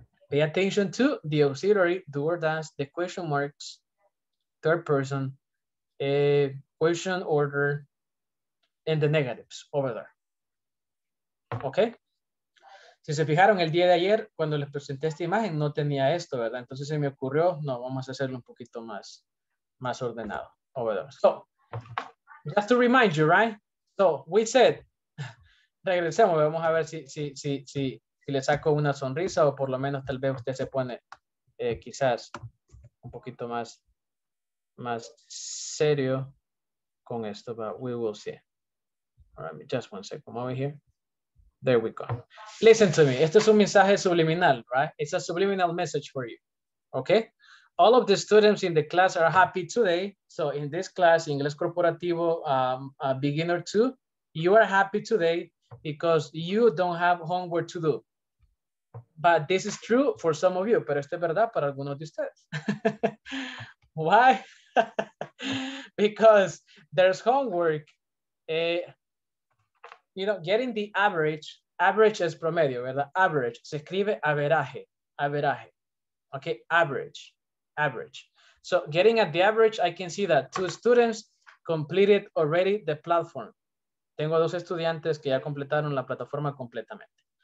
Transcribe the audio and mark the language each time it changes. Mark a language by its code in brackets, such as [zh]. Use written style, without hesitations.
[en] Pay attention to the auxiliary, do or does, the question marks, third person, question order, and the negatives over there. Okay? [es] Si se fijaron, el día de ayer, cuando les presenté esta imagen, no tenía esto, ¿verdad? Entonces se me ocurrió, no, vamos a hacerlo un poquito más ordenado [en] over there. So, just to remind you, right? So, we said, [es] regresemos, vamos a ver si le saco una sonrisa o por lo menos tal vez usted se pone quizás un poquito más serio con esto, [en] but we will see. All right, just one second, come over here. There we go. Listen to me. [es] Este es un mensaje subliminal, [en] right? It's a subliminal message for you. Okay? All of the students in the class are happy today. So in this class, Inglés Corporativo Beginner 2, you are happy today because you don't have homework to do. But this is true for some of you. [es] Pero esto es verdad para algunos de ustedes. [en] Why? Because there's homework. You know, getting the average is promedio, ¿verdad? Average, [es] se escribe [en] average. Okay, average. So getting at the average, I can see that two students completed already the platform. [es] Tengo dos estudiantes que ya completaron la plataforma completamente.